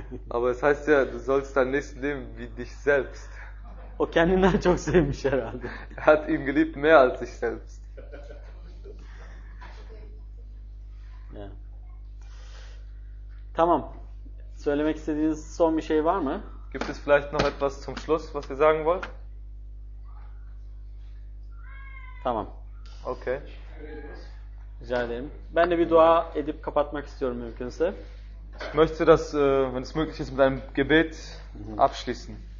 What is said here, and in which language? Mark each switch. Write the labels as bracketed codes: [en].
[de] Aber es heißt ja, du sollst deinen Nächsten lieben wie dich selbst. [tr] O kendinden çok sevmiş herhalde. [de] Er hat ihn geliebt mehr als sich selbst. [tr] Tamam. Söylemek istediğiniz son bir şey var mı? [de] Gibt es vielleicht noch etwas zum Schluss, was ihr sagen wollt? [tr] Tamam. Okay. Rica ederim. Ben de bir dua edip kapatmak istiyorum mümkünse. [de] Ich möchte das, wenn es möglich ist, mit einem Gebet abschließen.